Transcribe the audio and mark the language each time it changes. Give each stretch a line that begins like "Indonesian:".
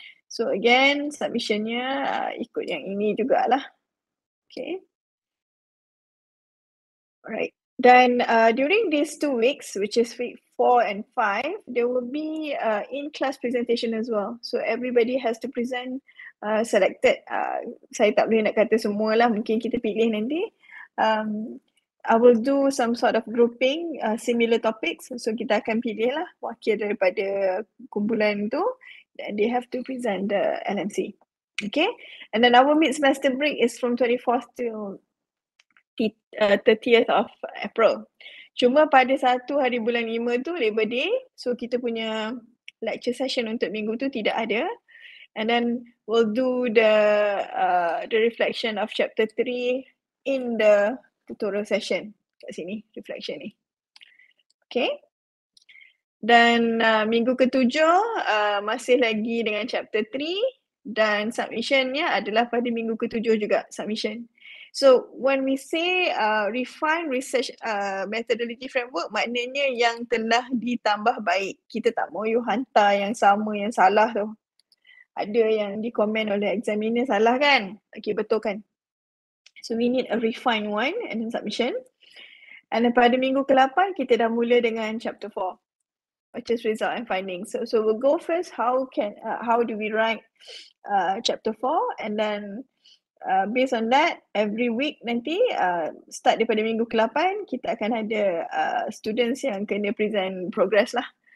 English: So again,
Malay: submissionnya ikut yang ini jugalah.
English: Okay. Alright. Then during these 2 weeks, which is week 4 and 5, there will be in-class presentation as well. So everybody has to present selected.
Malay: Saya tak boleh nak kata semualah, mungkin kita pilih nanti.
English: I will do some sort of grouping, similar topics.
Malay: So kita akan pilih lah wakil daripada kumpulan tu.
English: And they have to present the LMC. Okay. And then our mid-semester break is from 24th to 30th of April.
Malay: Cuma pada satu hari bulan 5 tu Labor Day. So kita punya lecture session untuk minggu tu tidak ada.
English: And then we'll do the reflection of chapter 3 in the tutorial session.
Malay: Kat sini, reflection ni. Okay. Dan minggu ketujuh masih lagi dengan chapter 3 dan submissionnya adalah pada minggu ketujuh juga submission.
English: So when we say refine research methodology framework,
Malay: maknanya yang telah ditambah baik. Kita tak mahu you hantar yang sama yang salah tu. Ada yang dikomen oleh examiner salah kan? Okay, betul kan?
English: So we need a refine one and then submission.
Malay: And then pada minggu ke-8 kita dah mula dengan chapter 4.
English: Which is result and findings. So we'll go first, how do we write chapter 4, and then based on that, every week
Malay: nanti,
English: start
Malay: daripada minggu ke-8, kita akan ada
English: students
Malay: yang kena
English: present progress lah.